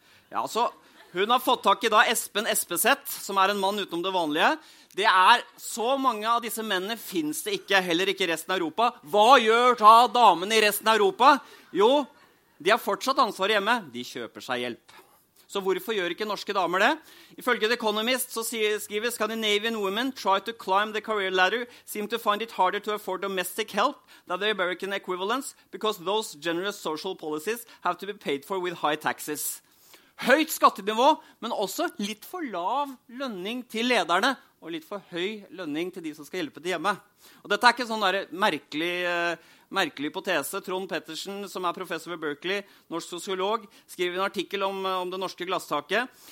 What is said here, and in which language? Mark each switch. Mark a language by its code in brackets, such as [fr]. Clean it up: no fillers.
[no] Ja, så hun har fått tak I da Espen Espeseth, som en mann utenom det vanlige. Det så mange av disse mennene finnes det ikke, heller ikke I resten av Europa. Hva gjør da damene I resten av Europa? Jo, de har fortsatt ansvar hjemme. De kjøper seg hjelp. Så hvorfor gjør ikke norske damer det? Ifølge The Economist så skriver [en] Scandinavian women try to climb the career ladder seem to find it harder to afford domestic help than the American equivalents because those generous social policies have to be paid for with high taxes. [no] Høyt skattenivå, men også litt for lav lønning til lederne og litt for høy lønning til de som skal hjelpe til hjemme. Og dette ikke sånn der merkelig hypotese. Trond Pettersen, som professor ved Berkeley, norsk sosiolog, skriver en artikkel om det norske glasstaket.